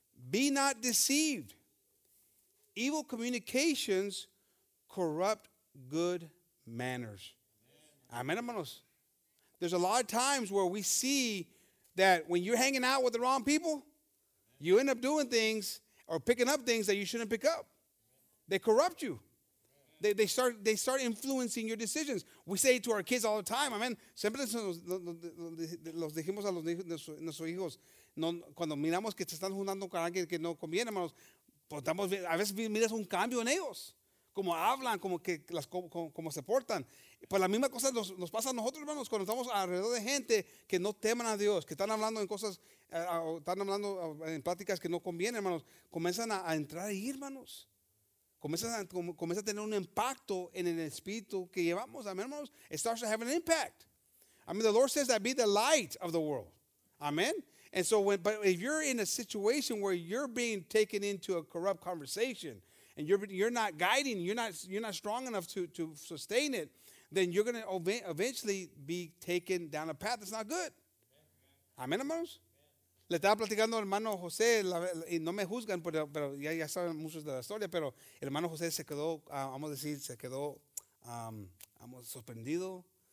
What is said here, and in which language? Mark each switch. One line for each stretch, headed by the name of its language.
English: Be not deceived. Evil communications corrupt good manners. Amen, hermanos. There's a lot of times where we see that when you're hanging out with the wrong people, you end up doing things or picking up things that you shouldn't pick up. They corrupt you. They start influencing your decisions. We say to our kids all the time, amen.
Spanish: Siempre los dijimos a nuestros hijos, cuando miramos que se están juntando con alguien que no conviene, hermanos, a veces miras un cambio en ellos, como hablan, como se portan. Pues la misma cosa nos pasa a nosotros, hermanos, cuando estamos alrededor de gente que no teman a Dios, que están hablando en cosas, están hablando en pláticas que no convienen, hermanos. Comienzan a entrar ahí, hermanos. Comienza a tener un impacto en el espíritu que llevamos.
English: Amén, hermanos. It starts to have an impact. I mean, the Lord says that be the light of the world. Amen. And so, but if you're in a situation where you're being taken into a corrupt conversation and you're not guiding, you're not strong enough to sustain it, then you're going to eventually be taken down a path that's not good.
Spanish: Amén, hermanos. Le estaba platicando al hermano José, y no me juzgan, pero ya saben muchos de la historia, pero el hermano José se quedó, vamos a decir, se quedó sorprendido.